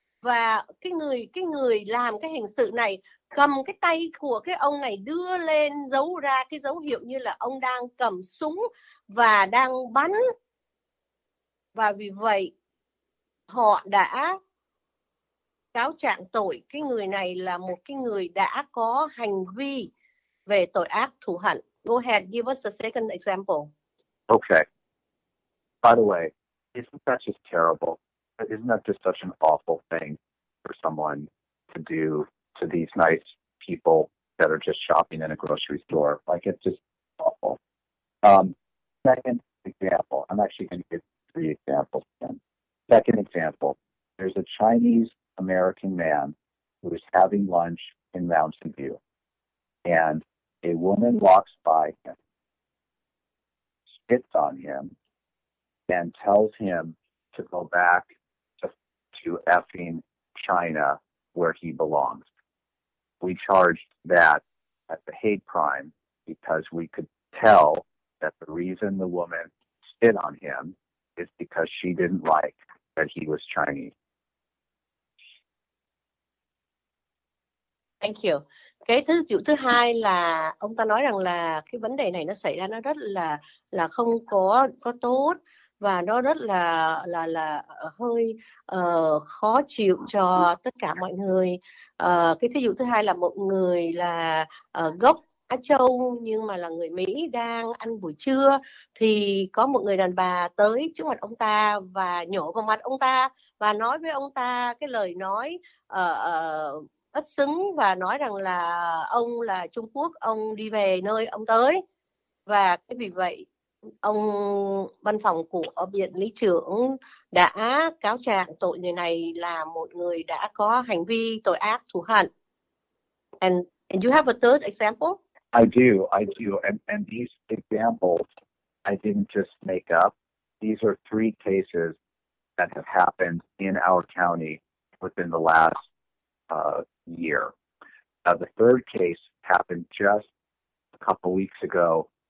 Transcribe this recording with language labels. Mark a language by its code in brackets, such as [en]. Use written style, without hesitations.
[vi] Và cái người làm cái hình sự này cầm cái tay của cái ông này đưa lên giấu ra cái dấu hiệu như là ông đang cầm súng và đang bắn. Và vì vậy họ đã cáo trạng tội cái người này là một cái người đã có hành vi về tội ác thù hận. [en] Go ahead, give us a second example. Okay. By the way, isn't that just terrible? Isn't that just such an awful thing for someone to do to these nice people that are just shopping in a grocery store. Like, it's just awful. Second example, I'm actually going to give three examples again. Second example, there's a Chinese American man who is having lunch in Mountain View, and a woman walks by him, spits on him, and tells him to go back to effing China where he belongs. We charged that as a hate crime because we could tell that the reason the woman spit on him is because she didn't like that he was Chinese. Thank you. [vi] Cái thứ dụ thứ hai là ông ta nói rằng là cái vấn đề này nó xảy ra nó rất là không có tốt và nó rất là hơi khó chịu cho tất cả mọi người. Cái thứ dụ thứ hai là một người là gốc Á Châu nhưng mà là người Mỹ đang ăn buổi trưa thì có một người đàn bà tới trước mặt ông ta và nhổ vào mặt ông ta và nói với ông ta cái lời nói bất xứng và nói rằng là ông là Trung Quốc, ông đi về nơi ông tới. Và cái vì vậy, ông văn phòng của biện lý trưởng đã cáo trạng tội người này là một người đã có hành vi tội ác thù hận. [en] And you have a third example? I do. And these examples, I didn't just make up. These are three cases that have happened in our county within the last year. The third case happened just a couple weeks ago.